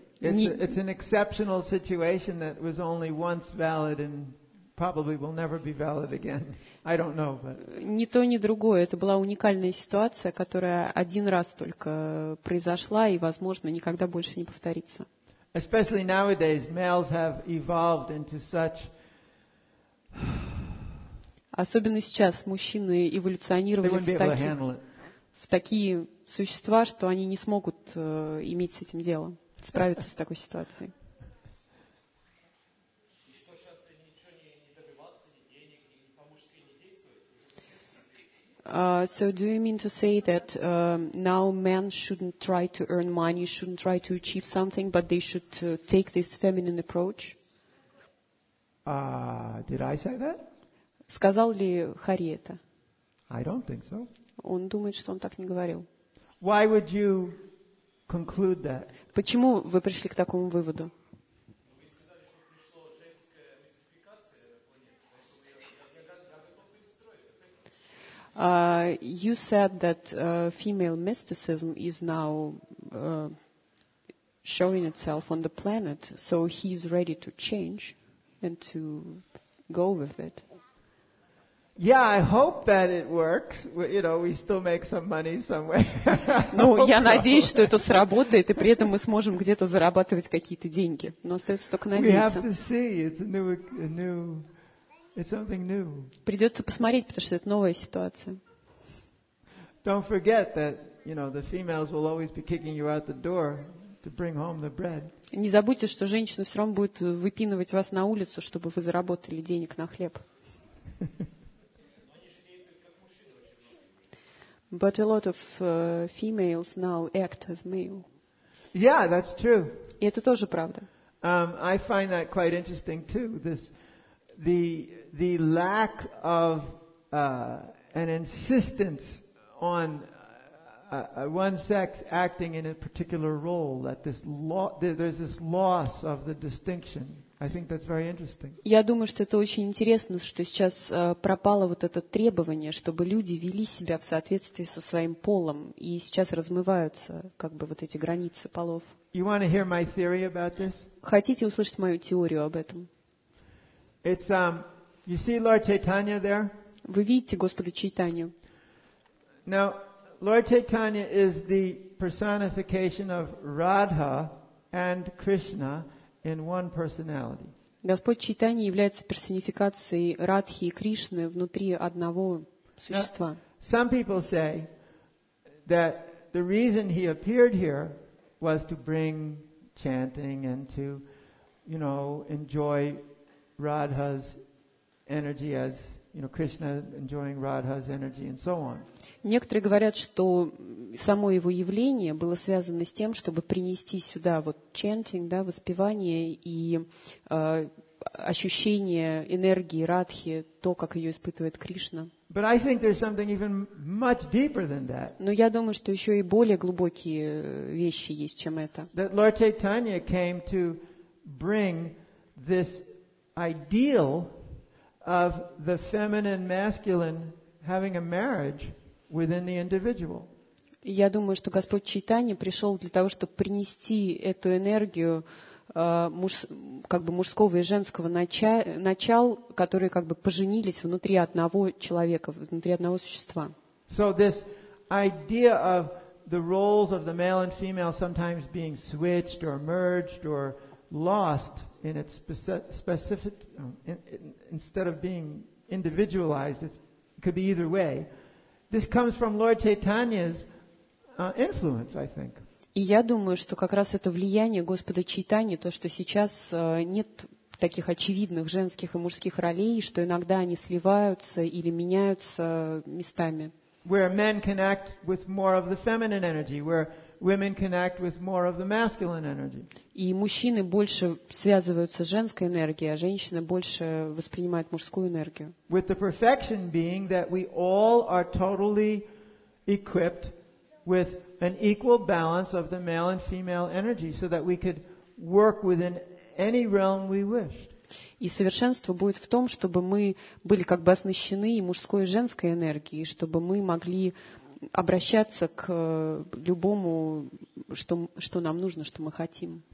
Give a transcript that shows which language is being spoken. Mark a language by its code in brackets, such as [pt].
[en] It's an exceptional situation that was only once valid and probably will never be valid again. I don't know, but. [ru] Ни то, ни другое. Это была уникальная ситуация, которая один раз только произошла и, возможно, никогда больше не повторится. [en] Especially nowadays, males have evolved into such. [ru] Особенно сейчас мужчины эволюционировали в такие существа, что они не смогут иметь с этим дело, справиться с такой ситуацией. И что сейчас ничего не добиваться, ни денег, ни по-мужски не действует? [en] So do you mean to say that now men shouldn't try to earn money, shouldn't try to achieve something, but they should take this feminine approach? Did I say that? [ru] Сказал ли Хари это? [en] I don't think so. [ru] Он думает, что он так не говорил. [en] Why would you conclude that? [ru] Почему вы пришли к такому выводу? [en] You said that female mysticism is now showing itself on the planet, so he's ready to change and to go with it. Yeah, I hope that it works. You know, we still make some money somewhere. [ru] Ну, я надеюсь, что это сработает, и при этом мы сможем где-то зарабатывать какие-то деньги. Но остается только надеяться. [en] We have to see. It's a new. It's something new. [ru] Придется посмотреть, потому что это новая ситуация. [en] Don't forget that, you know, the females will always be kicking you out the door to bring home the bread. [ru] Не забудьте, что женщины все равно будут выпинывать вас на улицу, чтобы вы заработали денег на хлеб. [en] But a lot of females now act as male. Yeah, that's true. [ru] И это тоже правда. [en] I find that quite interesting too. The lack of an insistence on one sex acting in a particular role, that this there's this loss of the distinction. I think that's very interesting. [ru] Я думаю, что это очень интересно, что сейчас пропало вот это требование, чтобы люди вели себя в соответствии со своим полом, и сейчас размываются как бы вот эти границы полов. [en] You want to hear my theory about this? [ru] Хотите услышать мою теорию об этом? [en] It's you see Lord Chaitanya there? [ru] Вы видите Господа Чайтанью? [en] Now, Lord Chaitanya is the personification of Radha and Krishna in one personality. [ru] Господь Чайтанья является персонификацией Радхи и Кришны внутри одного существа. [en] Some people say that the reason he appeared here was to bring chanting and to, you know, enjoy Radha's energy as, you know, Krishna enjoying Radha's energy and so on. [ru] Некоторые говорят, что само его явление было связано с тем, чтобы принести сюда вот chanting, да, воспевание и ощущение энергии Радхи, то, как ее испытывает Кришна. [en] But I think there's something even much deeper than that. [ru] Но я думаю, что еще и более глубокие вещи есть, чем это. [en] That Lord Chaitanya came to bring this ideal of the feminine masculine having a marriage within the individual. [ru] Я думаю, что Господь Чайтанья пришел для того, чтобы принести эту энергию как бы мужского и женского начал, которые как бы поженились внутри одного человека, внутри одного существа. [en] So this idea of the roles of the male and female sometimes being switched or merged or lost in its specific, instead of being individualized, it could be either way. This comes from Lord Chaitanya's influence, I think. [ru] И я думаю, что как раз это влияние Господа Чайтаньи, то, что сейчас нет таких очевидных женских и мужских ролей, что иногда они сливаются или меняются местами. [en] Where men can act with more of the feminine energy, where women can act with more of the masculine energy. [ru] И мужчины больше связываются с женской энергией, а женщины больше воспринимают мужскую энергию. [en] With the perfection being that we all are totally equipped with an equal balance of the male and female energy so that we could work within any realm we wished. [ru] И совершенство будет в том, чтобы мы были как бы оснащены и мужской, и женской энергией, чтобы мы могли обращаться к любому, что нам нужно, что мы хотим.